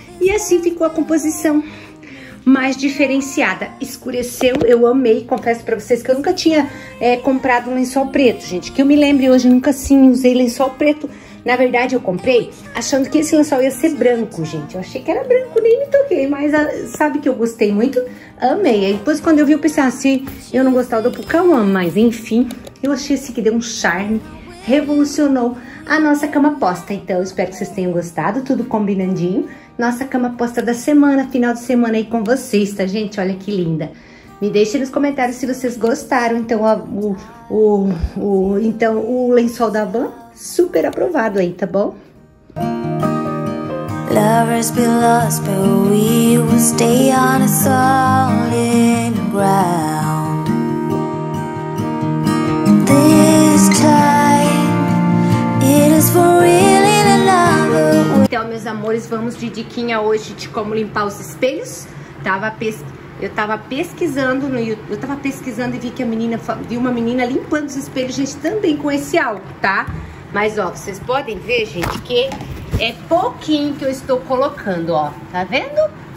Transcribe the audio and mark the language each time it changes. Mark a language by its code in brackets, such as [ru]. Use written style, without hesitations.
[pt] E assim ficou a composição. Mais diferenciada, escureceu, eu amei, confesso pra vocês que eu nunca tinha comprado um lençol preto, gente, que eu me lembre hoje, nunca assim usei lençol preto, na verdade eu comprei achando que esse lençol ia ser branco, gente, eu achei que era branco, nem me toquei, mas sabe que eu gostei muito, amei, aí depois quando eu vi eu pensei assim, eu não gostava do Pucão, mas enfim, eu achei assim que deu um charme, revolucionou a nossa cama posta, então espero que vocês tenham gostado, tudo combinandinho. Nossa cama posta da semana, final de semana aí com vocês, tá, gente? Olha que linda. Me deixem nos comentários se vocês gostaram. Então, o lençol da Havan, super aprovado aí, tá bom? [en] Lovers be lost, but we will stay on a solid ground. This time, it is for really the love. [pt] Então, meus amores, vamos de diquinha hoje de como limpar os espelhos. Tava pesquisando. Eu tava pesquisando e vi que uma menina limpando os espelhos, gente, também com esse álcool, tá? Mas, ó, vocês podem ver, gente, que é pouquinho que eu estou colocando, ó. Tá vendo?